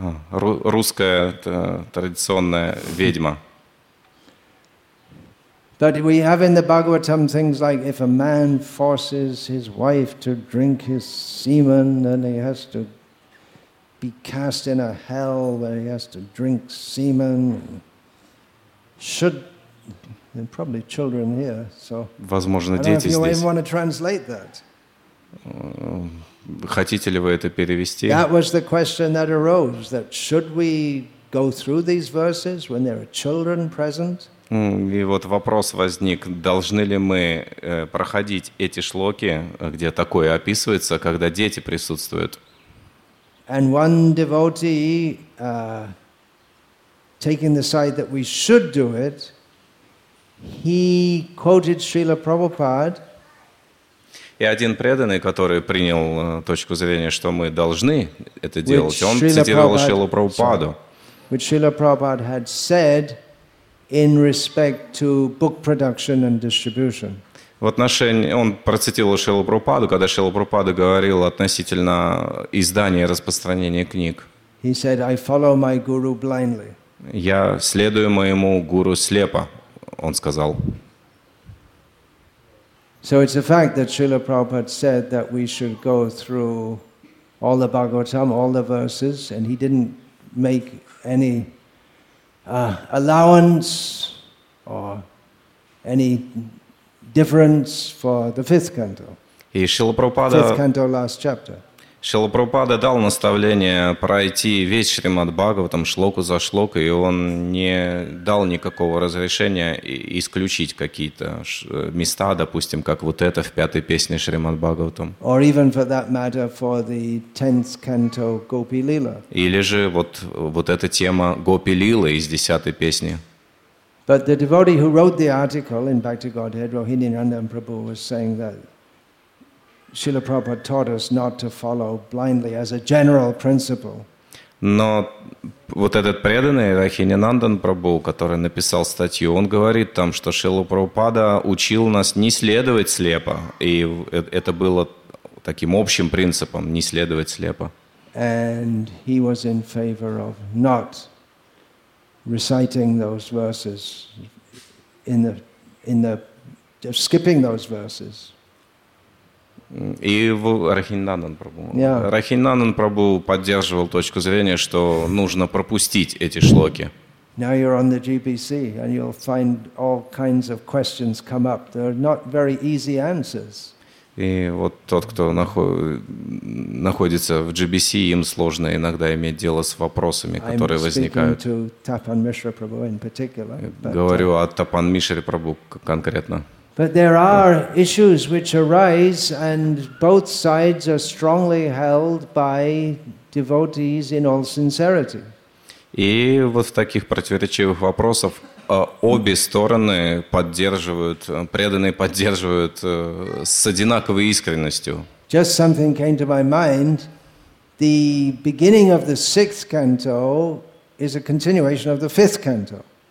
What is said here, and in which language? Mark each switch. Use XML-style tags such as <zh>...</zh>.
<ru>Русская традиционная ведьма.</ru> <en>But we have in the Bhagavatam things like if a man forces his wife to drink his semen, then he has to be cast in a hell where he has to drink semen. Should there probably children here, so</en> <ru>возможно, дети здесь.</ru> <en>I don't know if you even want to translate that.</en> <ru>Хотите ли вы это перевести?</ru> <en>That was the question that arose, that should we go through these verses when there are children present?</en> <ru>И вот вопрос возник, должны ли мы проходить эти шлоки, где такое описывается, когда дети присутствуют.</ru> <en>And one devotee, taking the side that we should do it, he quoted Srila Prabhupada.</en> <ru>И один преданный, который принял точку зрения, что мы должны это делать, он цитировал Шрилу Прабхупаду.</ru> <en>Which Srila Prabhupada had said, in respect to book production and distribution.</en> <ru>В отношении он процитировал Шрилу Прабхупаду, когда Шрила Прабхупада говорил относительно издания и распространения книг.</ru> <en>He said, "I follow my guru blindly."</en> <ru>Я следую моему гуру слепо, он сказал.</ru> <en>So it's a fact that Srila Prabhupada said that we should go through all the Bhagavatam, all the verses, and he didn't make any allowance or any difference for the fifth canto.</en> <ru>И Шрила Прабхупада,</ru> <en>fifth canto, last chapter.</en> <ru>Шрила Прабхупада дал наставление пройти весь Шримад Бхагаватам шлоку за шлокой, и он не дал никакого разрешения исключить какие-то места, допустим, как вот это в пятой песне Шримад Бхагаватам.</ru> <en>Or even for that matter for the tenth canto Gopi Lila.</en> <ru>Или же вот эта тема Гопи Лилы из десятой песни.</ru> <en>But the devotee who wrote the article in Back to Godhead, Rohini Nandan Prabhu, was saying that Srila Prabhupada taught us not to follow blindly as a general principle.</en> <ru>Но вот этот преданный Рахини Нандан Прабху, который написал статью, он говорит там, что Шрила Прабхупада учил нас не следовать слепо, и это было таким общим принципом не следовать слепо.</ru> <en>And he was in favor of not reciting those verses in the skipping those verses.</en> <ru>И Рахинандан Прабху поддерживал точку зрения, что нужно пропустить эти шлоки.</ru> <en>Now you're on the GPC and you'll find all kinds of questions come up. They're not very easy answers.</en> <ru>И вот тот, кто находится в GBC, им сложно иногда иметь дело с вопросами, которые возникают.</ru> <en>I'm speaking to Tapan Mishra Prabhu in particular.</en> <ru>Говорю о Тапан Мишре Прабху конкретно.</ru> <en>But there are issues which arise, and both sides are strongly held by devotees in all sincerity.</en> <ru>И вот в таких противоречивых вопросах обе стороны поддерживают, преданные поддерживают с одинаковой искренностью.</ru> <en>Just something came to my mind. The beginning of the sixth canto is a continuation of the fifth canto.</en>